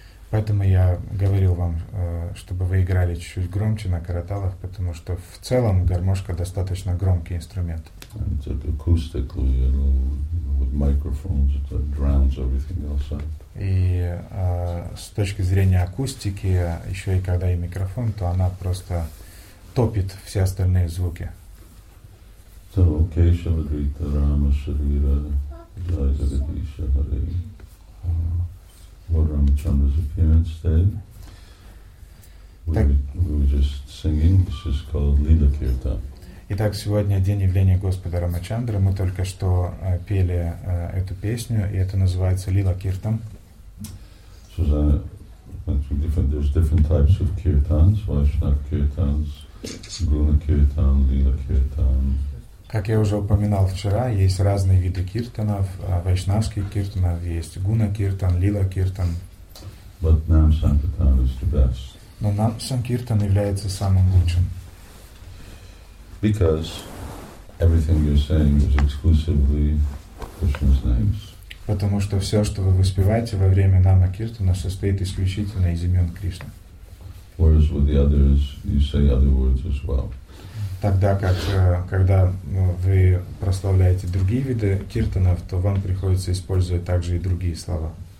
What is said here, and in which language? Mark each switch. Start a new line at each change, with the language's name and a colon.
Russian: Поэтому я говорил вам, чтобы вы играли чуть-чуть громче на караталах, потому что в целом гармошка достаточно громкий инструмент.
English: Acoustically, you know, with microphones, it drowns everything else out.
Russian: И с точки зрения акустики, еще и когда и микрофон, то она просто топит все остальные звуки.
English: So, okay, Shavadrita, Rama, Sharira. Jai Jagadisha Hare. Lord Ramachandra's appearance day. We were just singing. This is called Lila Kirtan.
Russian: Итак, сегодня день явления Господа Рамачандры. Мы только что пели эту песню, и это называется Лила Киртан.
English: So there's different types of kirtans. Vaishnava kirtans, Guna kirtan, Lila kirtan.
Russian: Как я уже упоминал вчера, есть разные виды киртанов, вайшнавских киртанов, есть гуна киртан, лила киртан.
English: But Nam Sankirtan is the best.
Russian: Но Нам Санкиртан является самым лучшим.
English: Because everything you're saying is exclusively Krishna's names.
Russian: Потому что все, что вы воспеваете во время Нама Киртана, состоит исключительно из имен Кришны.
English: Whereas with the others, you say other words as well.
Russian: Тогда как, когда вы прославляете другие виды киртанов, то вам приходится использовать также и другие слова.